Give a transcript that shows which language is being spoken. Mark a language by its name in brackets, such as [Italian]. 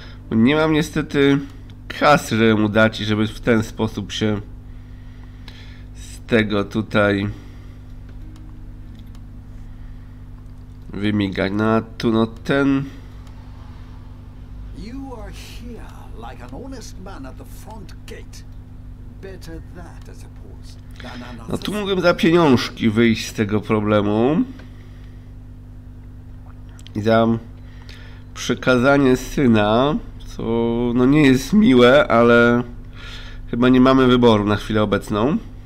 [Polish] Nie mam niestety kasy, żeby mu dać i żeby w ten sposób się z tego tutaj wymigać. No a tu no ten... [English] You are here like an honest man at the front gate. Better that, I suppose. [Polish] No tu mógłbym za pieniążki wyjść z tego problemu. I za przekazanie syna. To no nie jest miłe, ale chyba nie mamy wyboru na chwilę obecną.